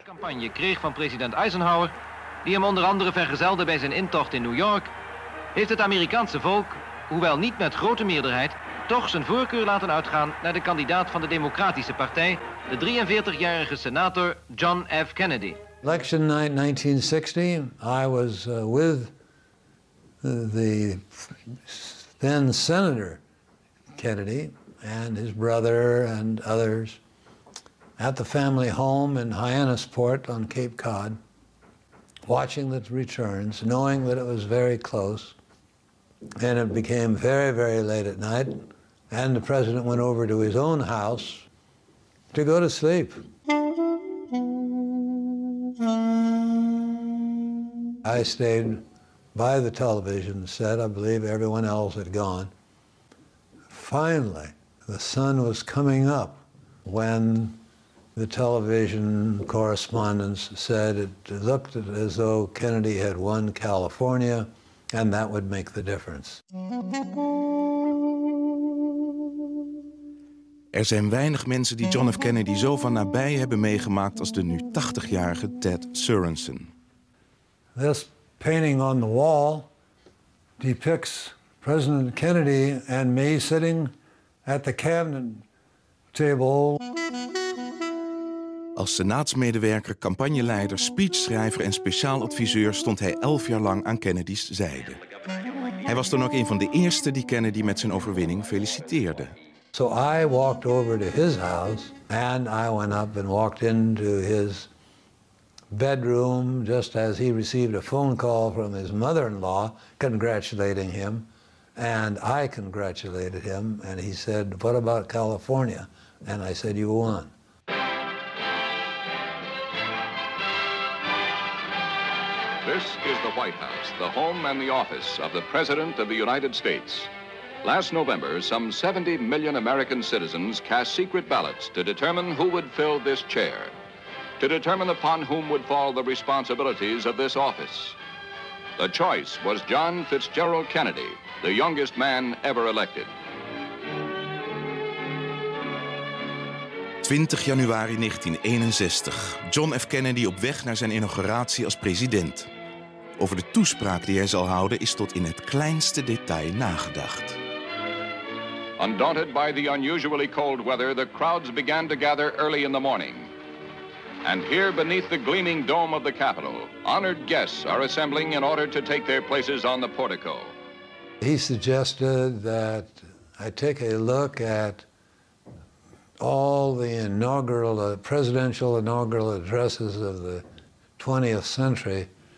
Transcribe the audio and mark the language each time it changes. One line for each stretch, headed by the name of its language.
Dutch: ...campagne kreeg van president Eisenhower, die hem onder andere vergezelde bij zijn intocht in New York, heeft het Amerikaanse volk, hoewel niet met grote meerderheid, toch zijn voorkeur laten uitgaan naar de kandidaat van de Democratische Partij, de 43-jarige senator John F. Kennedy.
English: Election night 1960, I was with the then senator Kennedy. And his brother and others. at the family home in Hyannisport on Cape Cod, watching the returns, knowing that it was very close. And it became very, very late at night, and the president went over to his own house to go to sleep. I stayed by the television set. I believe everyone else had gone. Finally, the sun was coming up when the television correspondents said it looked as though Kennedy had won California, and that would make the difference.
Dutch: Er zijn weinig mensen die John F. Kennedy zo van nabij hebben meegemaakt als de nu 80-jarige Ted Sorensen.
English: This painting on the wall depicts President Kennedy and me sitting at the cabinet table.
Dutch: Als senaatsmedewerker, campagneleider, speechschrijver en speciaal adviseur stond hij 11 jaar lang aan Kennedy's zijde. Hij was dan ook een van de eerste die Kennedy met zijn overwinning feliciteerde.
English: So I walked over to his house and I went up and walked into his bedroom just as he received a phone call from his mother-in-law congratulating him, and I congratulated him, and he said, "What about California?" And I said, "You won." This is the White House, the home and the office of the President of the United States. Last November, some 70 million American citizens cast secret ballots to determine who would fill this chair, to determine upon whom would fall the responsibilities of this office. The choice was John Fitzgerald Kennedy, the youngest man ever elected.
Dutch: 20 januari 1961. John F. Kennedy op weg naar zijn inauguratie als president. Over de toespraak die hij zal houden is tot in het kleinste detail nagedacht.
English: Undaunted by the unusually cold weather, the crowds began to gather early in the morning. And here beneath the gleaming dome of the Capitol, honored guests are assembling in order to take their places on the portico. He suggested that I take a look at all the presidential inaugural addresses of the 20th century.